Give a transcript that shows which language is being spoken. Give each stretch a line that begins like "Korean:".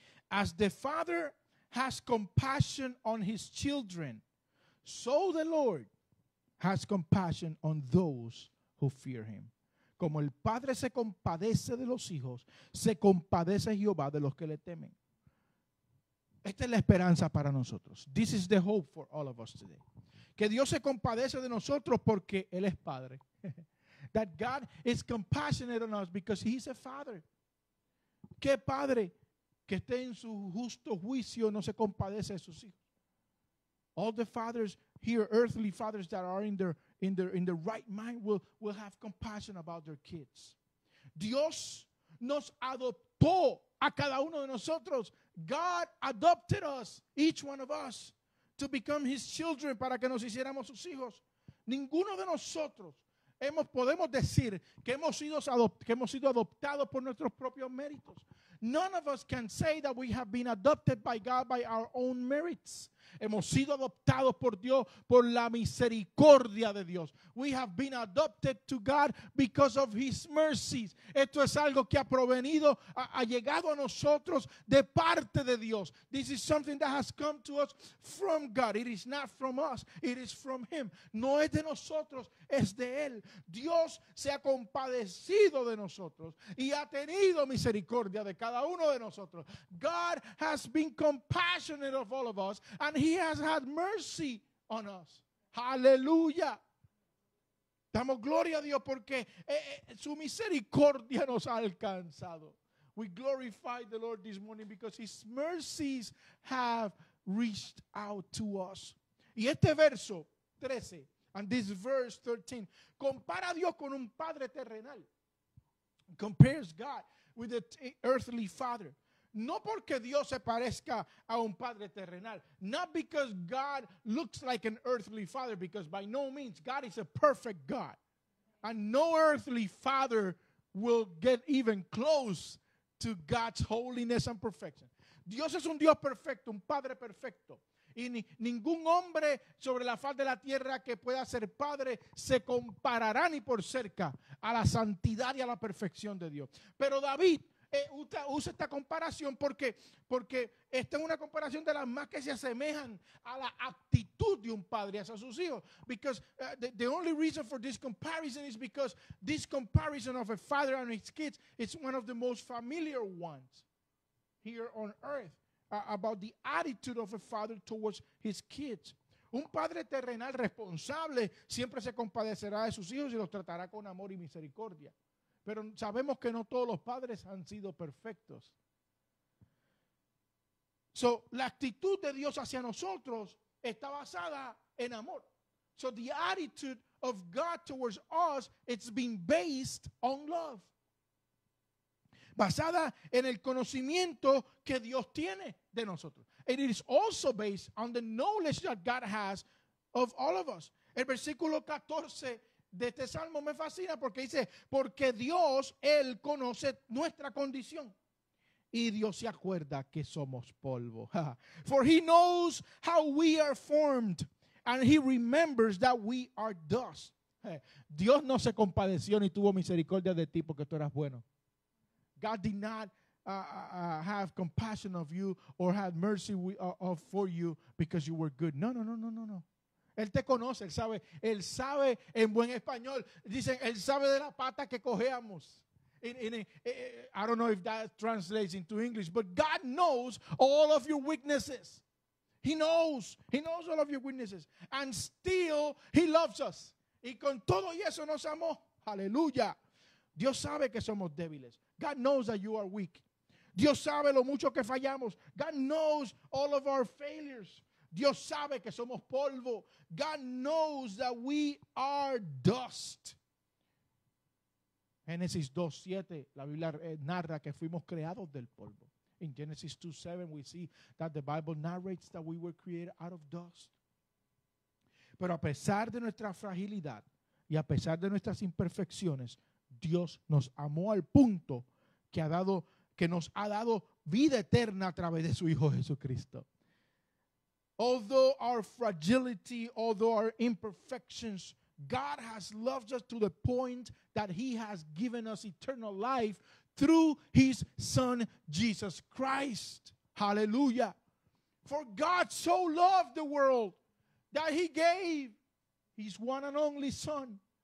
English: As the Father has compassion on his children, so the Lord has compassion on those who fear him.
Spanish: Como el Padre se compadece de los hijos, se compadece Jehová de los que le temen. Esta es la esperanza para nosotros.
English: This is the hope for all of us today.
Spanish: Que Dios se compadece de nosotros porque Él es Padre.
English: That God is compassionate on us because He is a Father.
Spanish: ¿Qué Padre que esté en su justo juicio no se compadece de sus hijos?
English: All the fathers here, earthly fathers that are in their right mind will have compassion about their kids.
Spanish: Dios nos adoptó a cada uno de nosotros.
English: God adopted us, each one of us, to become his children,
Spanish: para que nos hiciéramos sus hijos. Ninguno de nosotros podemos decir que hemos sido adoptados por nuestros propios méritos.
English: None of us can say that we have been adopted by God by our own merits.
Spanish: Hemos sido adoptados por Dios por la misericordia de Dios.
English: We have been adopted to God because of his mercies.
Spanish: Esto es algo que ha provenido, ha llegado a nosotros de parte de Dios.
English: This is something that has come to us from God. It is not from us, it is from him.
Spanish: No es de nosotros, es de él. Dios se ha compadecido de nosotros y ha tenido misericordia de cada uno de nosotros.
English: God has been compassionate of all of us and he has had mercy on us.
Spanish: Hallelujah. Damos gloria a Dios porque su misericordia nos ha alcanzado.
English: We glorify the Lord this morning because his mercies have reached out to us.
Spanish: Y este verso 13,
English: and this verse 13,
Spanish: compara a Dios con un padre terrenal.
English: Compares God with an earthly father.
Spanish: No porque Dios se parezca a un padre terrenal.
English: Not because God looks like an earthly father, because by no means, God is a perfect God. And no earthly father will get even close to God's holiness and perfection.
Spanish: Dios es un Dios perfecto, un padre perfecto. Y ningún hombre sobre la faz de la tierra que pueda ser padre se comparará ni por cerca a la santidad y a la perfección de Dios. Pero David usa esta comparación porque esta es una comparación de las más que se asemejan a la actitud de un padre hacia sus hijos.
English: Because the only reason for this comparison is because this comparison of a father and his kids is one of the most familiar ones here on earth about the attitude of a father towards his kids.
Spanish: Un padre terrenal responsable siempre se compadecerá de sus hijos y los tratará con amor y misericordia. Pero sabemos que no todos los padres han sido perfectos. So, la actitud de Dios hacia nosotros está basada en amor.
English: So, the attitude of God towards us, it's been based on love.
Spanish: basada en el conocimiento que Dios tiene de nosotros.
English: And it is also based on the knowledge that God has of all of us.
Spanish: El versículo 14 de este salmo me fascina porque dice, porque Dios, Él conoce nuestra condición. Y Dios se acuerda que somos polvo.
English: For He knows how we are formed, and He remembers that we are dust.
Spanish: Dios no se compadeció ni tuvo misericordia de ti porque tú eras bueno.
English: God did not have compassion of you or had mercy for you because you were good.
Spanish: No. Él te conoce, él sabe en buen español. Dicen, él sabe de la pata que cojeamos.
English: I don't know if that translates into English, but God knows all of your weaknesses. He knows all of your weaknesses. And still, He loves us.
Spanish: Y con todo y eso nos amó. Aleluya. Dios sabe que somos débiles.
English: God knows that you are weak.
Spanish: Dios sabe lo mucho que fallamos.
English: God knows all of our failures.
Spanish: Dios sabe que somos polvo.
English: God knows that we are dust.
Spanish: Genesis 2:7, la Biblia narra que fuimos creados del polvo.
English: In Genesis 2:7, we see that the Bible narrates that we were created out of dust.
Spanish: Pero a pesar de nuestra fragilidad y a pesar de nuestras imperfecciones, Dios nos amó al punto que nos ha dado vida eterna a través de su Hijo Jesucristo.
English: Although our fragility, although our imperfections, God has loved us to the point that He has given us eternal life through His Son, Jesus Christ. Hallelujah. For God so loved the world that He gave His one and only Son.